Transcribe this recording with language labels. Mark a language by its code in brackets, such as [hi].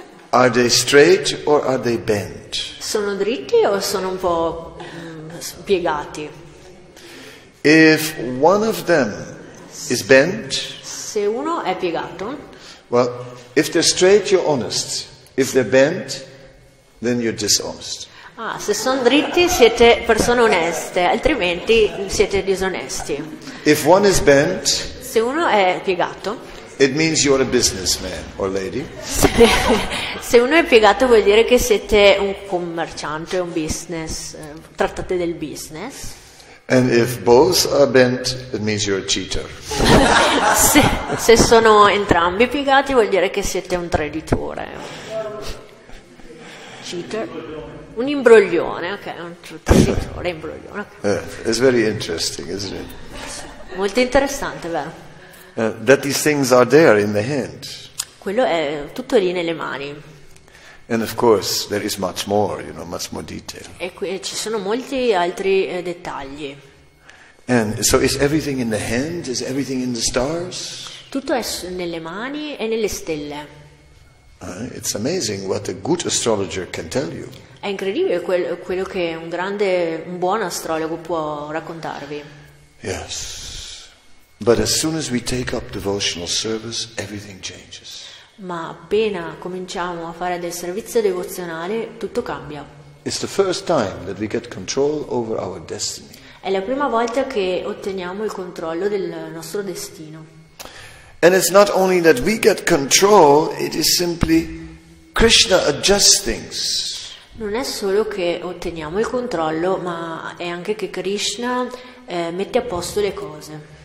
[en] Are they straight or are they bent? [it] Sono dritti o sono un po' piegati? [en] If one of them is bent, [it] se uno è piegato. [en] Well, if they're straight you're honest. If they're bent, then you're dishonest. [it] Ah, se sono dritti siete persone oneste, altrimenti siete disonesti. [en] If one is bent, [it] se uno è piegato, [en] it means you are a businessman or lady. [it] Se uno è piegato vuol dire che siete un commerciante, un business, trattate del business. [en] And if both are bent, it means you're a cheater. [it] Se sono entrambi piegati vuol dire che siete un traditore. Cheater. Un imbroglione, ok, un traditore, imbroglione. [en] It's very interesting, isn't it? [it] Molto interessante, vero? [en] That these things are there in the hand. [it] Quello è tutto lì nelle mani. [en] And of course there is much more, you know, much more detail. [it] E qui ci sono molti altri dettagli. [en] And so is everything in the hand? Is everything in the stars? [it] Tutto è nelle mani e nelle stelle. [en] It's amazing what a good astrologer can tell you. [it] È incredibile quello che un buon astrologo può raccontarvi. [en] Yes. But as soon as we take up devotional service, everything changes. [it] Ma appena cominciamo a fare del servizio devozionale, tutto cambia. [en] It's the first time that we get control over our destiny. [it] È la prima volta che otteniamo il controllo del nostro destino. [en] And it's not only that we get control, it is simply Krishna adjusts things. [it] Non è solo che otteniamo il controllo, ma è anche che Krishna mette a posto le cose.